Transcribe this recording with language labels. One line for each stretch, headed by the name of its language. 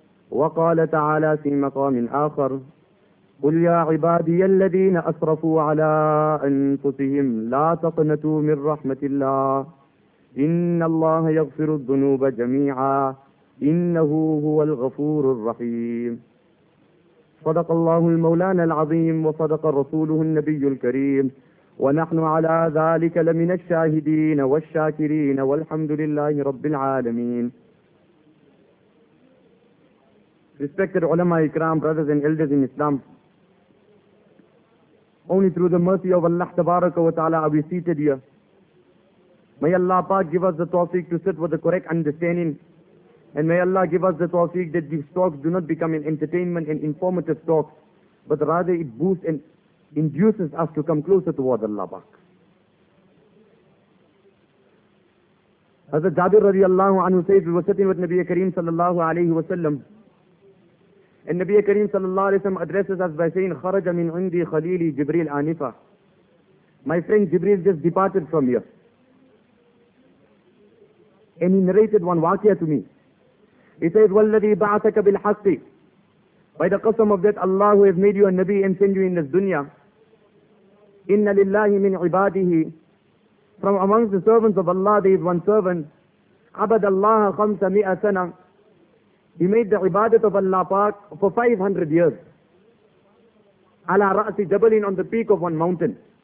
Arabic: وقال تعالى في مقام آخر قل يا عبادي الذين أسرفوا على أنفسهم لا تقنطوا من رحمة الله إن الله يغفر الذنوب جميعا إنه هو الغفور الرحيم. صدق الله المولانا العظيم وصدق رسوله النبي الكريم ونحن على ذلك لمن الشاهدين والشاكرين والحمد لله رب العالمين.
English: Respected ulama ikram, brothers and elders in Islam, only through the mercy of Allah tabaraka wa ta'ala are we seated here. May Allah Pak give us the tawfiq to sit with the correct understanding. And may Allah give us the tawfiq that these talks do not become an entertainment and informative talk, but rather it boosts and induces us to come closer towards Allah Pak. Hazrat Jabir radiallahu anhu said, we were sitting with Nabiya Kareem sallallahu alayhi wa sallam. And Nabiya Kareem sallallahu alayhi wa sallam addresses us by saying,
Arabic: Kharaja min indi khalili Jibreel anifa.
English: My friend Jibreel just departed from here. And he narrated one waqiyah to me. He says,
Arabic: وَالَّذِي بَعَثَكَ بِالْحَقِّ.
English: By the qasam of that, Allah who has made you a Nabi and send you in this dunya.
Arabic: إِنَّ لِلَّهِ مِنْ عِبَادِهِ.
English: From amongst the servants of Allah, there is one servant.
Arabic: عَبَدَ اللَّهَ خَمْسَ مِئَ سَنَى.
English: He made the ibadat of Allah Pak for 500 years.
Arabic: Ala ra'si jabalin,
English: on the peak of one mountain.